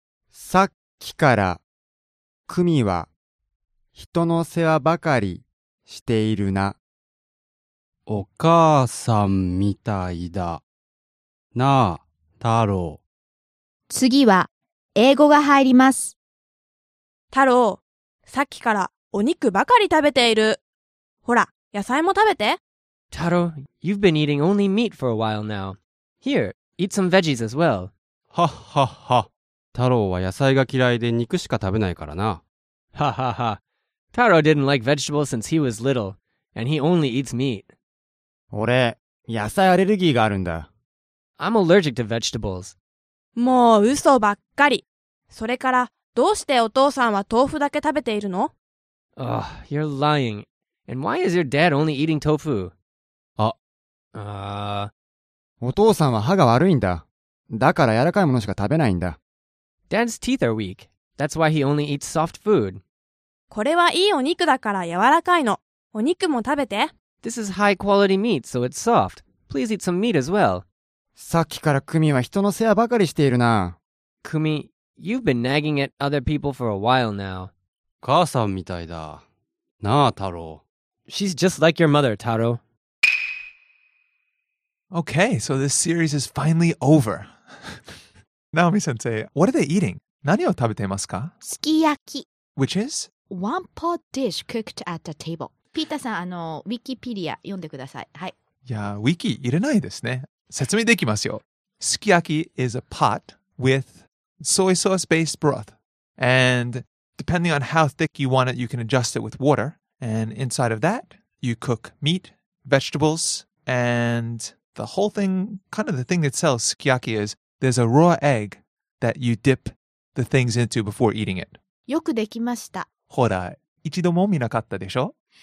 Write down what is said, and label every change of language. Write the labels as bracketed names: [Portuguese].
[Japanese] さっきからクミは人の世話ばかりしているな。お母さんみたいだ。なあ、太郎。次は英語が入ります。太郎、さっきからお肉ばかり食べている。ほら、野菜も食べて。 [English] 太郎、you've been eating only meat for a while now. Here, eat some veggies as well. [Japanese] はっはっは。太郎は野菜が嫌いで肉しか食べないからな。 [English] はっはっは。太郎 didn't like vegetables since he was little, and he only eats meat. [Japanese] 俺、野菜アレルギーがあるんだ。 [English] I'm allergic to vegetables. [Japanese] もう嘘ばっかり。それから、どうしてお父さんは豆腐だけ食べているの？ [English] Oh, you're lying. And why is your dad only eating tofu? [Japanese] お父さんは歯が悪いんだ。だから柔らかいものしか食べないんだ。 [English] Dad's teeth are weak. That's why he only eats soft food. [Japanese] これはいいお肉だから柔らかいの。お肉も食べて。 [English] This is high quality meat, so it's soft. Please eat some meat as well. [Japanese] さっきからクミは人の世話ばかりしているな。 [English] クミ、you've been nagging at other people for a while now. [Japanese] 母さんみたいだ。なあ、太郎。 [English] She's just like your mother, Taro. Okay, so this series is finally over. Naomi-sensei, what are they eating? [Japanese] 何を食べていますか？すき焼き。 [English] Which is? One pot dish cooked at the table. [Japanese] ピーターさん、ウィキペディア読んでください。はい。いや、ウィキ入れないですね。説明できますよ。 [English] すき焼き is a pot with soy sauce based broth. And depending on how thick you want it, you can adjust it with water. And inside of that, you cook meat, vegetables, and the whole thing, kind of the thing that sells sukiyaki is there's a raw egg that you dip the things into before eating it. [Japanese] よくできました。ほら、一度も見なかったでしょ?